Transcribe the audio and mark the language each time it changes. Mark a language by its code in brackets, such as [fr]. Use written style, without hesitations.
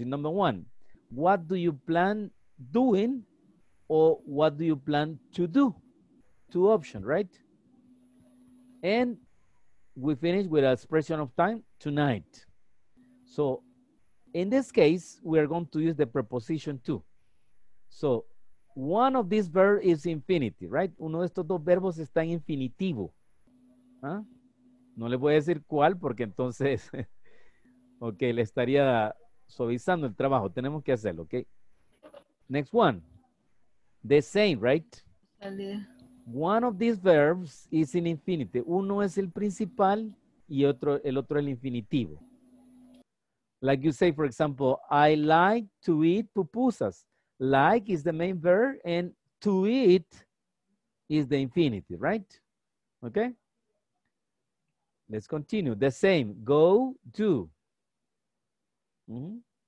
[en] In number one, what do you plan doing or what do you plan to do? Two options, right? And we finish with an expression of time, tonight. So in this case, we are going to use the preposition to. So, one of these verbs is infinity, right? [es] Uno de estos dos verbos está en infinitivo. ¿Ah? No le voy a decir cuál porque entonces, ok, le estaría suavizando el trabajo. Tenemos que hacerlo, [en] ok. Next one. The same, right? [es] Vale. [en] One of these verbs is in infinity. [es] Uno es el principal y otro, el otro el infinitivo. [en] Like you say, for example, I like to eat pupusas. Like is the main verb and to eat is the infinitive, right? Okay. Let's continue. The same. Go to. Mm-hmm.